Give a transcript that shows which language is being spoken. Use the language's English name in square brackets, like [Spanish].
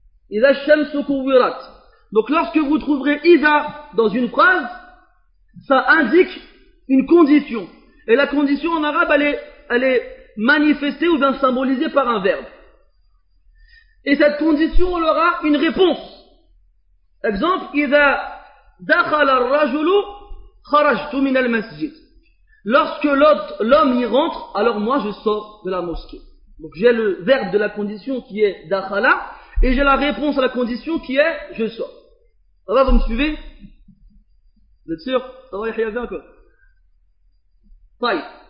[Arabic] Ida shamsu kuwirat. [French] Donc lorsque vous trouverez Ida dans une phrase, ça indique une condition. Et la condition en arabe, elle est manifestée ou bien symbolisée par un verbe. Et cette condition, on aura une réponse. [Arabic] Exemple, إذا دخل الرجل خرجت من المسجد. [French] Lorsque l'homme y rentre, alors moi je sors de la mosquée. Donc j'ai le verbe de la condition qui est دخل et j'ai la réponse à la condition qui est je sors. Ça va, vous me suivez? Vous êtes sûr? Ça va, Yahya, bien quoi? طيب.